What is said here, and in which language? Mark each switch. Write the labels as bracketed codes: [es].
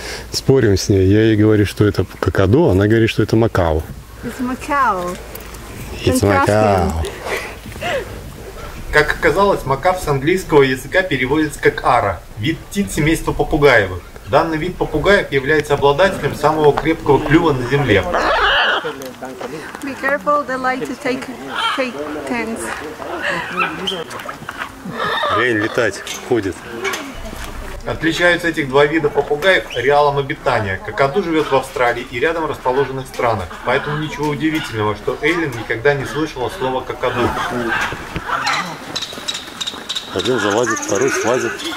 [ru] Спорим с ней. Я ей говорю, что это какаду, она говорит, что это макао. [en] It's macaw. It's macaw. [ru] Как оказалось, макав с английского языка переводится как ара, вид птиц семейства попугаевых. Данный вид попугаев является обладателем самого крепкого клюва на земле. [en] Be careful, they like to take turns. [ru] Лень летать, ходит. Отличаются этих два вида попугаев ареалом обитания. Кокоду живет в Австралии и рядом расположенных странах. Поэтому ничего удивительного, что Эйлин никогда не слышала слова кокоду. Один залазит, второй слазит.